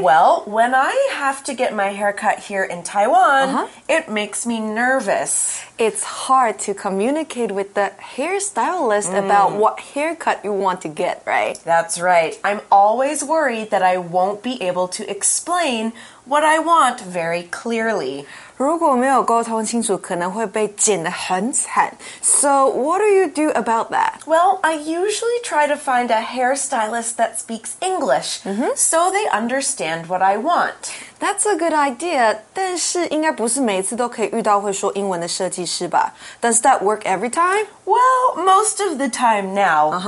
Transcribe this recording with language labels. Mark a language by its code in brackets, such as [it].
[en] Well, when I have to get my haircut here in Taiwan, it makes me nervous. It's hard to communicate with the hairstylist about what haircut you want to get, right? That's right. I'm always worried that I won't be able to explain what I want very clearly. [zh] 如果没有沟通清楚，可能会被剪得很惨。 [en] So, what do you do about that? Well, I usually try to find a hairstylist that speaks English, so they understand what I want. That's a good idea, [zh] 但是应该不是每次都可以遇到会说英文的设计师吧。 [en] Does that work every time? Well, most of the time now.